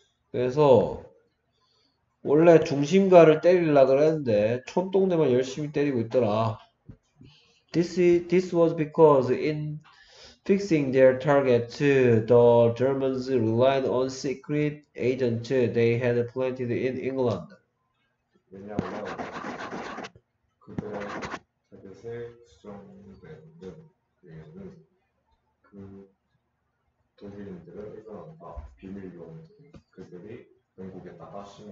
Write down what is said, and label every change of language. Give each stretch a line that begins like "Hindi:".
Korean: 그래서 원래 중심가를 때리려고 했는데 촌 동네만 열심히 때리고 있더라.
English: This was because in fixing their target, the Germans relied on secret agents they had planted in England.
Korean: 왜냐하면 그들의 주장된 내용은 그 독일인들을 일어난다 비밀 요원들이 그들이 영국에다가